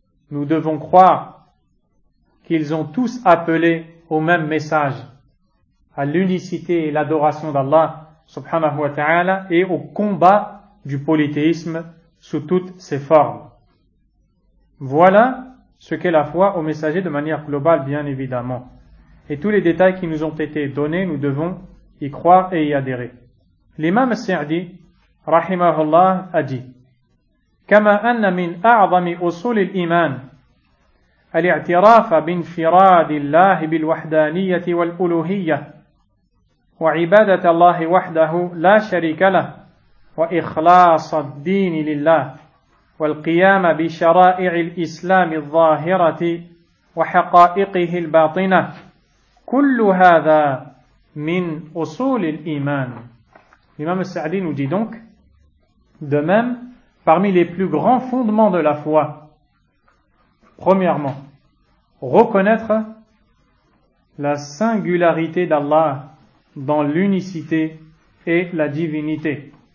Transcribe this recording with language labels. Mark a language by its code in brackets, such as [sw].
[fr] Nous devons croire qu'ils ont tous appelé au même message, à l'unicité et l'adoration d'Allah, subhanahu wa ta'ala, et au combat du polythéisme sous toutes ses formes. Voilà ce qu'est la foi aux messagers de manière globale, bien évidemment. Et tous les détails qui nous ont été donnés, nous devons y croire et y adhérer. L'imam Sa'di, rahimahullah, a dit [ar] كما أن من أعظم أصول الإيمان الاعتراف بانفراد الله بالوحدانية والألوهية وعبادة الله وحده لا شريك له وإخلاص الدين لله والقيام بشرائع الإسلام الظاهرة وحقائقه الباطنة كل هذا من أصول الإيمان. الإمام السعدي يجي [fr] donc de même. Parmi les plus grands fondements de la foi, premièrement, reconnaître la singularité d'Allah dans l'unicité et la divinité.